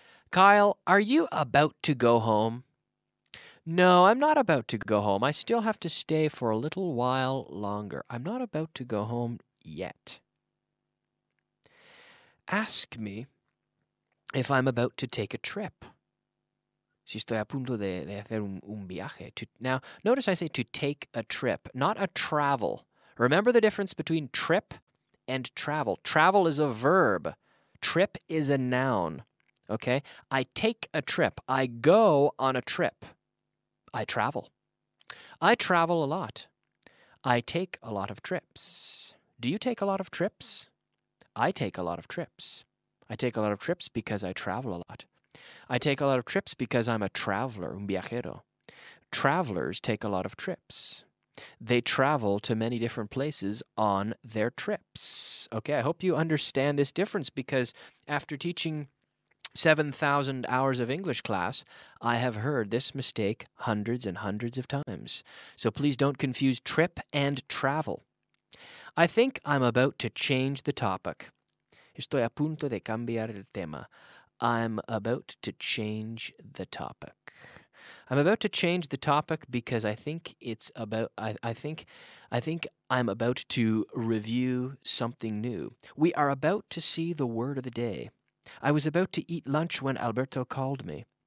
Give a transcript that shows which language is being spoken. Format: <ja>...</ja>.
<en>Kyle, are you about to go home? No, I'm not about to go home. I still have to stay for a little while longer. I'm not about to go home yet. Ask me if I'm about to take a trip.</en> <es>Si estoy a punto de hacer un viaje.</es> <en>Now, notice I say to take a trip, not a travel. Remember the difference between trip and travel. Travel is a verb. Trip is a noun. Okay? I take a trip. I go on a trip. I travel. I travel a lot. I take a lot of trips. Do you take a lot of trips? I take a lot of trips. I take a lot of trips because I travel a lot. I take a lot of trips because I'm a traveler,</en> <es>un viajero.</es> <en>Travelers take a lot of trips. They travel to many different places on their trips. Okay, I hope you understand this difference because after teaching 7,000 hours of English class, I have heard this mistake hundreds and hundreds of times. So please don't confuse trip and travel. I think I'm about to change the topic.</en> <es>Estoy a punto de cambiar el tema.</es> <en>I'm about to change the topic. I'm about to change the topic because I think it's about, I think I'm about to review something new. We are about to see the word of the day. I was about to eat lunch when Alberto called me.</en>